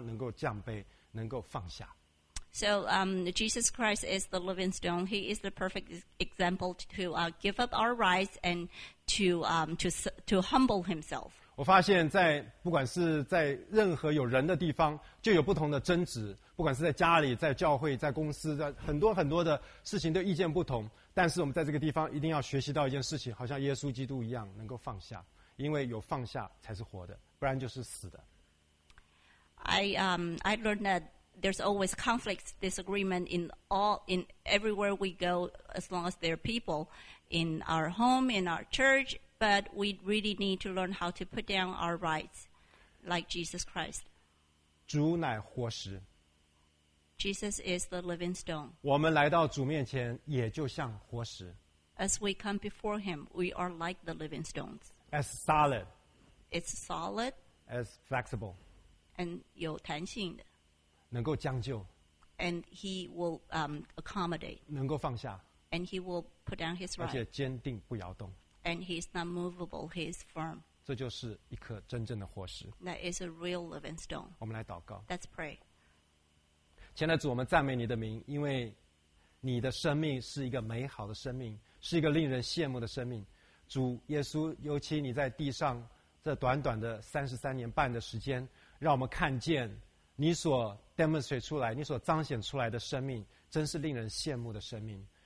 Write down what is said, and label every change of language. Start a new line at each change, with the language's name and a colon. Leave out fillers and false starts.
Chinese: 所以这是一个活的一个石头，是带着生命力的一个石头，因为它能够降卑，能够放下。
English: So Jesus Christ is the living stone. He is the perfect example to give up our rights and to humble himself.
Chinese: 我发现在不管是在任何有人的地方，就有不同的争执。不管是在家里、在教会、在公司，在很多很多的事情都意见不同。但是我们在这个地方一定要学习到一件事情，好像耶稣基督一样，能够放下，因为有放下才是活的，不然就是死的。
English: I learned that there's always conflicts, disagreement in everywhere we go, as long as there are people in our home, in our church, but we really need to learn how to put down our rights like Jesus Christ.
Chinese: 主乃活石,
English: Jesus is the living stone.
Chinese: 我们来到主面前也就像活石,
English: as we come before him, we are like the living stones. As solid. It's solid. As flexible. And
Chinese: 有弹性的。能够将就,
English: and he will accommodate.
Chinese: 能够放下,
English: and he will put down his right.
Chinese: 而且坚定不摇动,
English: and he is not movable, he is firm. That is a real living stone.
Chinese: 我们来祷告,
English: let's pray.
Chinese: 亲爱的主, 我们赞美你的名, 因为你的生命是一个美好的生命, 是一个令人羡慕的生命。主耶稣, 尤其你在地上, 这短短的33年半的时间, 让我们看见 你所demonstrate出来，你所彰显出来的生命，真是令人羡慕的生命。